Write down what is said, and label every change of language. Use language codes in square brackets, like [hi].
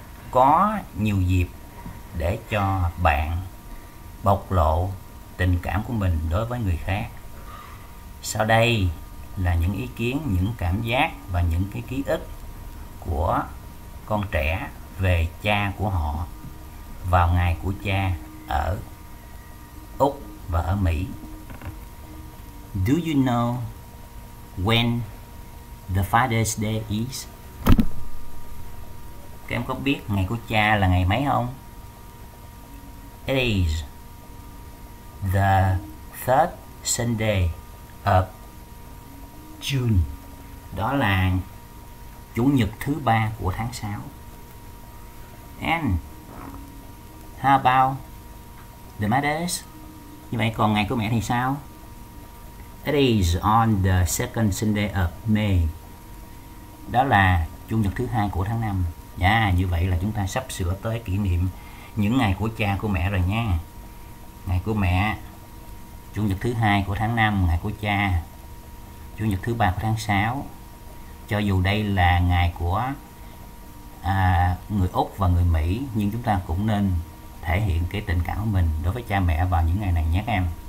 [vi] Có nhiều dịp để cho bạn bộc lộ tình cảm của mình đối với người khác. Sau đây là những ý kiến, những cảm giác và những cái ký ức của con trẻ về cha của họ vào ngày của cha ở Úc và ở Mỹ. [en] Do you know when the Father's Day is? [vi] Các em có biết ngày của cha là ngày mấy không? [en] It is the third Sunday of June. [vi] Đó là chủ nhật thứ ba của tháng 6. [en] And how about the mother's? [vi] Như vậy còn ngày của mẹ thì sao? [en] It is on the second Sunday of May. [vi] Đó là chủ nhật thứ hai của tháng 5. Dạ, như vậy là chúng ta sắp sửa tới kỷ niệm những ngày của cha của mẹ rồi nha. Ngày của mẹ, chủ nhật thứ hai của tháng 5, ngày của cha, chủ nhật thứ ba của tháng 6. Cho dù đây là ngày của người Úc và người Mỹ, nhưng chúng ta cũng nên thể hiện cái tình cảm của mình đối với cha mẹ vào những ngày này nhé em.